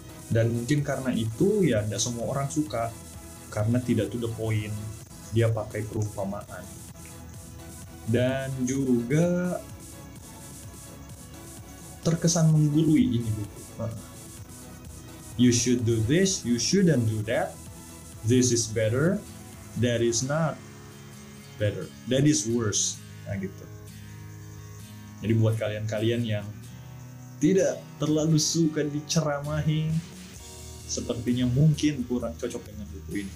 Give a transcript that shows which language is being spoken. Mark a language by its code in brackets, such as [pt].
[id] Dan mungkin karena itu ya tidak semua orang suka, karena tidak [en] to the point, [id] dia pakai perumpamaan. Dan juga terkesan menggurui ini buku. [en] You should do this, you shouldn't do that. This is better, that is not better, that is worse. [id] Nah gitu. Jadi buat kalian-kalian yang tidak terlalu suka diceramahi, sepertinya mungkin kurang cocok dengan buku ini.